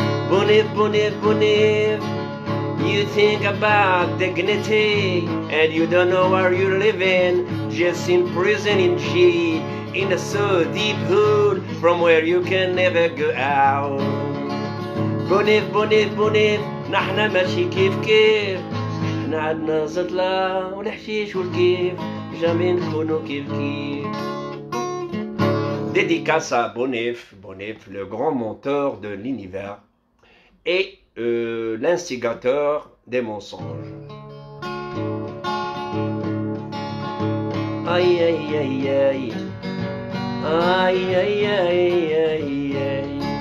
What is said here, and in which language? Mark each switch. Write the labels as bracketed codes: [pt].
[en] Bonif, bonif, bonif, you think about dignity and you don't know where you're living, just in prison in G, in a so deep hood from where you can never go out. [ar] بونيف بونيف بونيف نحنا ماشي كيف كيف، احنا عندنا زطلة والحشيش والكيف، جامي نكونو كيف كيف. [fr] Dédicace à Bonif, Bonif le grand menteur de l'univers et l'instigateur des mensonges. Aïe aïe aïe aïe aïe aïe aïe aïe aïe.